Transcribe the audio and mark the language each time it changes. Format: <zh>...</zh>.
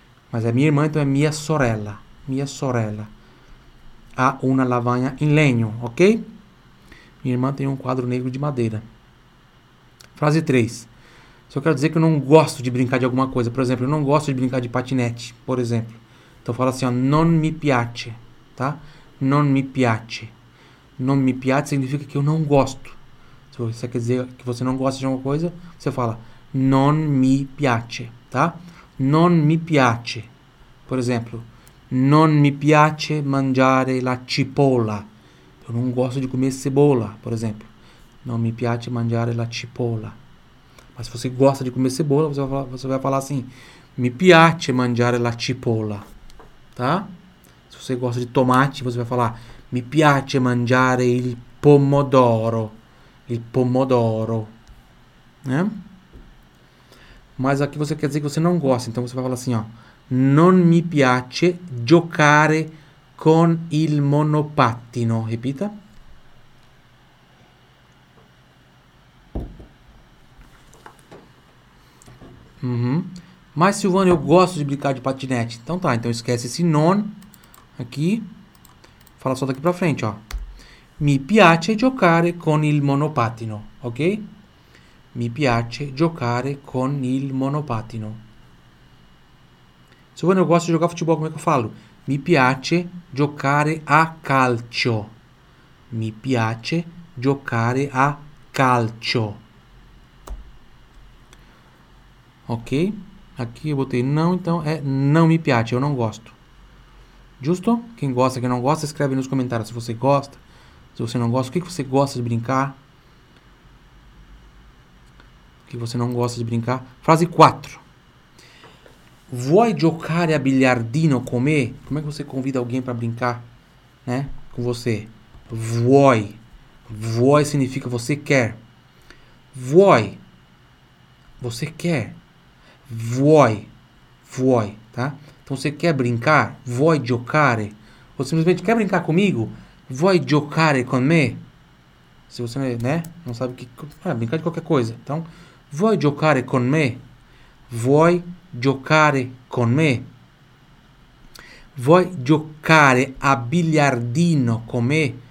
<pt>Mas é minha irmã, então é minha sorella. Minha sorella.</pt> <it>Ha una lavagna in legno, ok?</it> <pt>Minha irmã tem um quadro negro de madeira. Frase 3. Só quero dizer que eu não gosto de brincar de alguma coisa. Por exemplo, eu não gosto de brincar de patinete, por exemplo. Então fala assim, ó,</pt> <it>non mi piace,</it> <pt>tá?</pt> <it>Non mi piace. Non mi piace</it> <pt>significa que eu não gosto. Se você quer dizer que você não gosta de alguma coisa, você fala</pt> <it>non mi piace,</it> <pt>tá?</pt> <it>Non mi piace.</it> <pt>Por exemplo,</pt> <it>non mi piace mangiare la cipolla.</it> <pt>Eu não gosto de comer cebola, por exemplo.</pt> <it>Non mi piace mangiare la cipolla.</it> <pt>Mas se você gosta de comer cebola, você vai falar assim:</pt> <it>mi piace mangiare la cipolla.</it> <pt>Tá? Se você gosta de tomate, você vai falar:</pt> <it>mi piace mangiare il pomodoro. Il pomodoro.</it> <pt>Né? Mas aqui você quer dizer que você não gosta, então você vai falar assim, ó:</pt> <it>non mi piace giocare con il monopattino.</it> <pt>Repita. Mas Silvano, eu gosto de brincar de patinete. Então tá, então esquece esse non aqui. Fala só daqui pra frente, ó.</pt> <it>Mi piace giocare con il monopattino, ok? Mi piace giocare con il monopattino.</it> <pt>Silvano, eu gosto de jogar futebol, como é que eu falo?</pt> <it>Mi piace giocare a calcio. Mi piace giocare a calcio. Ok?</it> <pt>Aqui eu botei não, então é não me piace, eu não gosto. Justo? Quem gosta, quem não gosta, escreve nos comentários se você gosta, se você não gosta, o que você gosta de brincar? Que você não gosta de brincar. Frase 4.</pt> <it>Vuoi giocare a biliardino con me?</it> <pt>Como é que você convida alguém para brincar, né? Com você. Vuoi. Vuoi significa você quer.</pt> <it>Vuoi.</it> <pt>Você quer.</pt> <it>Vuoi. Vuoi, tá?</it> <pt>Então você quer brincar?</pt> <it>Vuoi giocare?</it> <pt>Ou simplesmente quer brincar comigo?</pt> <it>Vuoi giocare con me?</it> <pt>Se você, né, não sabe o que é brincar de qualquer coisa.</pt> <it>Então, vuoi giocare con me? Vuoi giocare con me? Vuoi giocare a biliardino con me?</it>